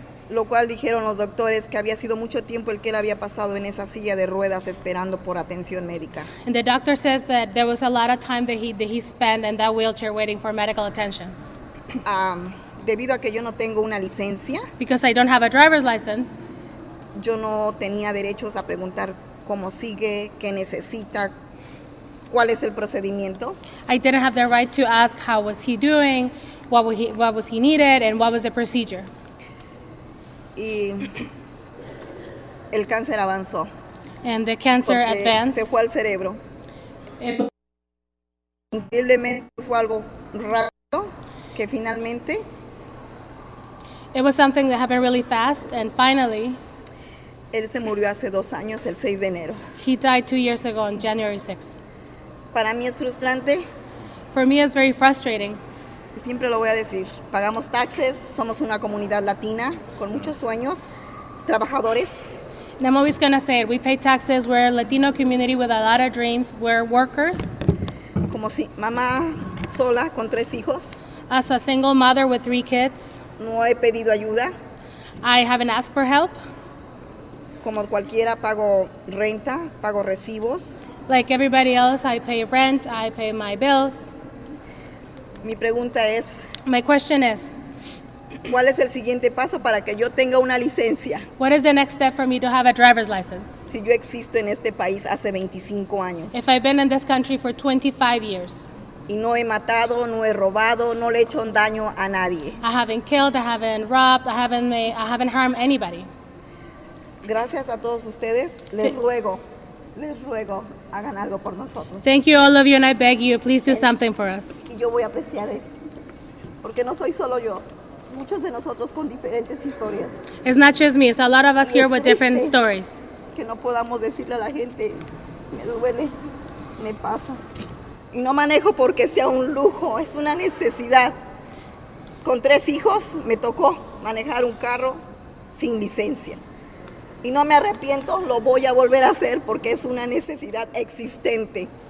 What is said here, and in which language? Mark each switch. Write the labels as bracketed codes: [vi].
[es] lo cual dijeron los doctores que había sido mucho tiempo el que él había pasado en esa silla de ruedas esperando por atención médica. [en] And the doctor says that there was a lot of time that he spent in that wheelchair waiting for medical attention. [es] Debido a que yo no tengo una licencia. [en] Because I don't have a driver's license. [es] Yo no tenía derechos a preguntar cómo sigue, qué necesita, cuál es el procedimiento. [en] I didn't have the right to ask how was he doing, what was he needed, and what was the procedure. [es] Y el cáncer avanzó. [en] And the cancer advanced. [es] Se fue al cerebro. Increíblemente fue algo rápido que finalmente. [en] It was something that happened really fast, and finally. [es] Él se murió hace dos años, el 6 de enero. [en] He died 2 years ago on January 6th. [es] Para mí es frustrante. [en] For me it's very frustrating. [es] Siempre lo voy a decir. Pagamos taxes, somos una comunidad latina con muchos sueños, trabajadores. [en] And I'm always going to say it. We pay taxes, we're a Latino community with a lot of dreams, we're workers. [es] Como si mamá sola con tres hijos. [en] As a single mother with three kids. [es] No he pedido ayuda. [en] I haven't asked for help. [es] Como cualquiera, pago renta, pago recibos. [en] Like everybody else, I pay rent, I pay my bills. [es] Mi pregunta es, [en] my question is, [es] ¿cuál es el siguiente paso para que yo tenga una licencia? [en] What is the next step for me to have a driver's license? [es] Si yo existo en este país hace 25 años. [en] If I've been in this country for 25 years. [es] Y no he matado, no he robado, no le he hecho un daño a nadie. [en] I haven't killed, I haven't robbed, I haven't harmed anybody. [es] Gracias a todos ustedes. Les ruego, hagan algo por nosotros. [en] Thank you all of you, and I beg you, please do something for us. [es] Y yo voy a apreciar eso, porque no soy solo yo. Muchos de nosotros con diferentes historias. [en] It's not just me. It's a lot of us here with different stories. [es] Que no podamos decirle a la gente, me duele, me pasa, y no manejo porque sea un lujo. Es una necesidad. Con tres hijos, me tocó manejar un carro sin licencia. Y no me arrepiento, lo voy a volver a hacer porque es una necesidad existente.